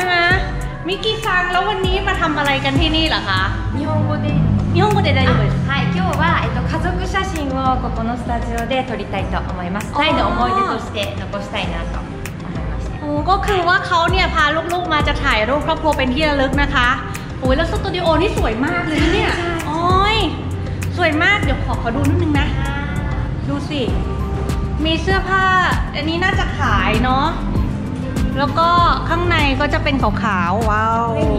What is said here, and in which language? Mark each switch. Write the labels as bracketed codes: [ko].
[th] ไหมมิกกี้ซังแล้ววันนี้มาทำอะไรกันที่นี่เหรอคะ ญี่ปุ่น ได้ได้ยินไ หมใช่ [ja] 今日は家族写真をここのスタジオで撮りたいと思います2人の思い出として残したいなと [th] ก็คือว่าเขาเนี่ยพาลูกๆมาจะถ่ายรูปครอบครัวเป็นที่ระลึกนะคะโอ้ยแล้วสตูดิโอนี่สวยมากเลยเนี่ยโอ้ยสวยมากเดี๋ยวขอดูนิดนึงนะดูสิมีเสื้อผ้าอันนี้น่าจะขายเนาะแล้วก็ข้างในก็จะเป็นขาวๆว้าว